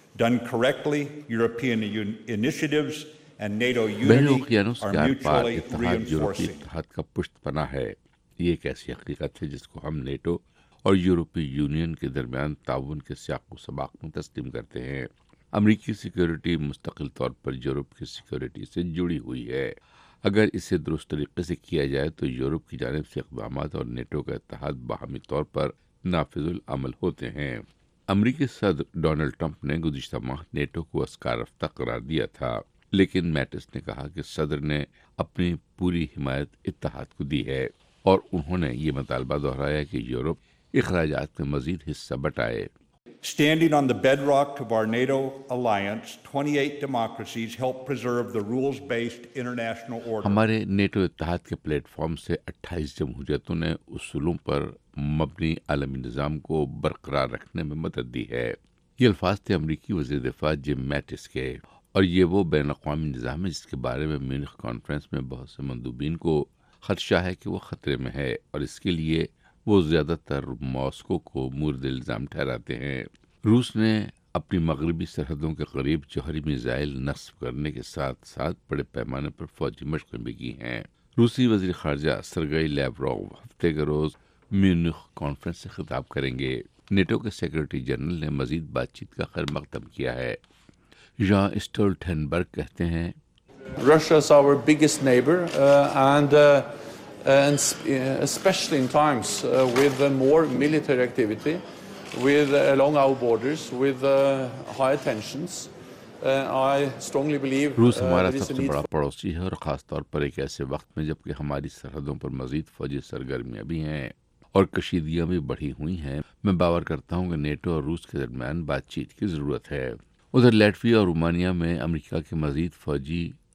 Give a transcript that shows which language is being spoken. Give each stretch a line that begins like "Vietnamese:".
English: Done correctly, European initiatives and NATO unity are mutually reinforcing.
Urdu: اتحاد کا پشت پناہ ہے۔ یہ ایک ایسی حقیقت ہے جس کو ہم نیٹو اور یورپی یونین کے درمیان تعاون کے سیاق و سباق میں تسلیم کرتے ہیں۔ امریکی سیکیورٹی مستقل طور پر یورپ کی سیکیورٹی سے جڑی ہوئی ہے۔ اگر اسے درست طریقے سے کیا جائے تو یورپ کی جانب سے اقدامات اور نیٹو کا اتحاد باہمی طور پر نافذ العمل ہوتے ہیں۔ امریکی صدر ڈونلڈ ٹرمپ نے گزشتہ ماہ نیٹو کو اسکار رفتہ قرار دیا تھا، لیکن میٹس نے کہا کہ صدر نے اپنی پوری حمایت اتحاد کو دی ہے، اور انہوں نے یہ مطالبہ دہرایا کہ یورپ اخراجات میں مزید حصہ بٹائے۔
English: Standing on the bedrock of our NATO alliance, 28 democracies help preserve the rules-based international order.
Urdu: ہمارے نیٹو اتحاد کے پلیٹ فارم سے 28 جمہوریتوں نے اصولوں پر مبنی عالمی نظام کو برقرار رکھنے میں مدد دی ہے۔ یہ الفاظ تھے امریکی وزیر دفاع جم میٹس کے، اور یہ وہ بین الاقوامی نظام ہے جس کے بارے میں میونخ کانفرنس میں بہت سے مندوبین کو خدشہ ہے کہ وہ خطرے میں ہے، اور اس کے لیے وہ زیادہ تر ماسکو کو مورد الزام ٹھہراتے ہیں۔ روس نے اپنی مغربی سرحدوں کے قریب جوہری میزائل نصب کرنے کے ساتھ ساتھ بڑے پیمانے پر فوجی مشقیں بھی کی ہیں۔ روسی وزیر خارجہ سرگئی لیوروف ہفتے کے روز میونخ کانفرنس سے خطاب کریں گے۔ نیٹو کے سیکرٹری جنرل نے مزید بات چیت کا خیر مقدم کیا ہے۔ ژان سٹولٹنبرگ کہتے ہیں
English: especially in times with more military activity with along our borders with high tensions I strongly believe
Urdu: روس ہمارا سب سے بڑا پڑوسی ہے، اور خاص طور پر ایک ایسے وقت میں جبکہ ہماری سرحدوں پر مزید فوجی سرگرمیاں بھی ہیں اور کشیدگیاں بھی بڑھی ہوئی ہیں۔ میں باور کرتا ہوں کہ نیٹو اور روس کے درمیان بات چیت کی ضرورت ہے۔ ادھر لیٹویا اور رومانیا میں امریکہ کے مزید فوجی